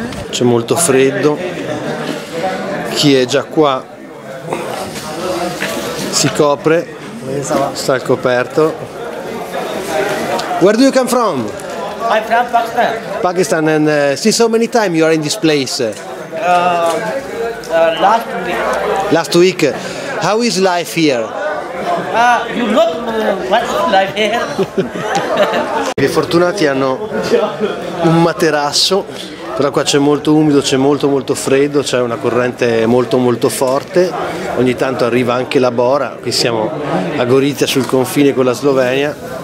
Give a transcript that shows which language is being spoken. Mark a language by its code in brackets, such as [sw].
[it] C'è molto freddo. Chi è già qua si copre, sta al coperto. [en] Where do you come from? I'm from Pakistan. Pakistan, and since how many time you are in this place? Last week. Last week. How is life here? You look what's life here. [it] I fortunati hanno un materasso, però qua c'è molto umido, c'è molto molto freddo, c'è una corrente molto molto forte. Ogni tanto arriva anche la bora. Qui siamo a Gorizia sul confine con la Slovenia.